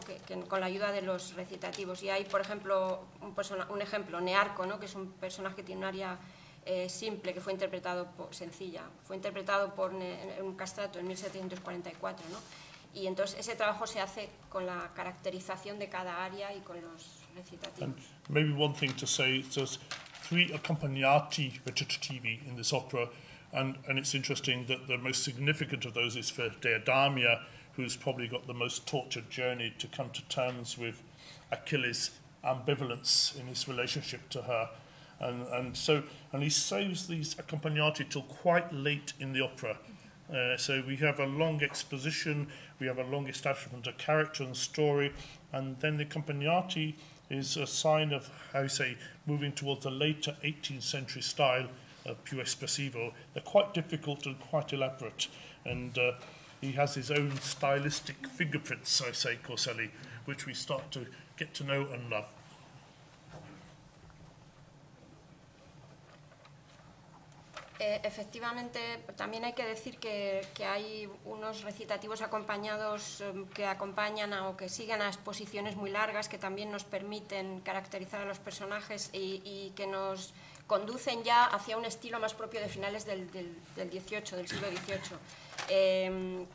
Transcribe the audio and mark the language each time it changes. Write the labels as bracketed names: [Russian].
[Spanish] que con la ayuda de los recitativos. Y hay, por ejemplo, un ejemplo, Nearco, ¿no? que es un personaje que tiene un aria simple, que fue interpretado por, sencilla, fue interpretado por un castrato en 1744. ¿No? Y entonces ese trabajo se hace con la caracterización de cada aria y con los recitativos. [English] And maybe one thing to say, there's 3 accompagnati recitativi in this opera. And it's interesting that the most significant of those is for Deidamia, who's probably got the most tortured journey to come to terms with Achilles' ambivalence in his relationship to her. And he saves these accompagnati till quite late in the opera. So we have a long exposition, we have a long establishment of character and story, and then the accompagnati is a sign of, how you say, moving towards the later 18th century style of più espressivo. They're quite difficult and quite elaborate, and he has his own stylistic fingerprints, I say, Corselli, which we start to get to know and love. [Spanish] Efectivamente, también hay que decir que hay unos recitativos acompañados que acompañan o que siguen a exposiciones muy largas que también nos permiten caracterizar a los personajes y que nos conducen ya hacia un estilo más propio de finales del 18, del siglo XVIII.